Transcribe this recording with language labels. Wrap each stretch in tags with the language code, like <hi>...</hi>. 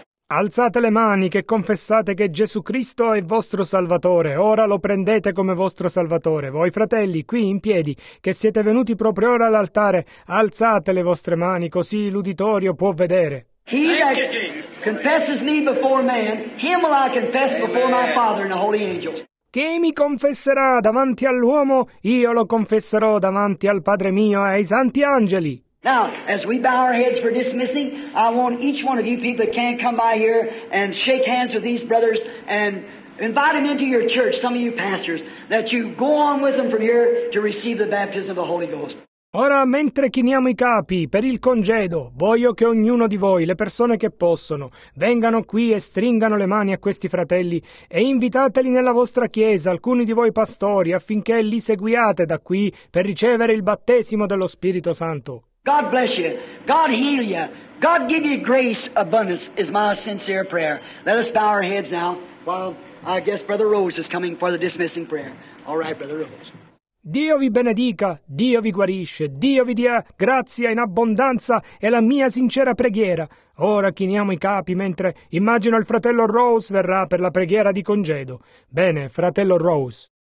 <it>Alzate le mani che confessate che Gesù Cristo è vostro Salvatore. Ora lo prendete come vostro Salvatore. Voi fratelli, qui in piedi, che siete venuti proprio ora all'altare, alzate le vostre mani così l'uditorio può vedere.</it> <en>He that confesses me before man, him will I confess before my Father and the holy angels.</en> <it>Chi mi confesserà davanti all'uomo, io lo confesserò davanti al Padre mio e ai santi angeli.</it> <en>Now, as we bow our heads for dismissing, I want each one of you people that can come by here and shake hands with these brothers and invite them into your church, some of you pastors, that you go on with them from here to receive the baptism of the Holy Ghost.</en> <it>Ora, mentre chiniamo i capi per il congedo, voglio che ognuno di voi, le persone che possono, vengano qui e stringano le mani a questi fratelli e invitateli nella vostra chiesa, alcuni di voi pastori, affinché li seguiate da qui per ricevere il battesimo dello Spirito Santo.</it> <en>God bless you. God heal you. God give you grace abundance is my sincere prayer. Let us bow our heads now while I guess Brother Rose is coming for the dismissing prayer. All right, Brother Rose.</en> <it>Dio vi benedica, Dio vi guarisce, Dio vi dia grazia in abbondanza è la mia sincera preghiera. Ora chiniamo i capi mentre immagino il fratello Rose verrà per la preghiera di congedo. Bene, fratello Rose.</it>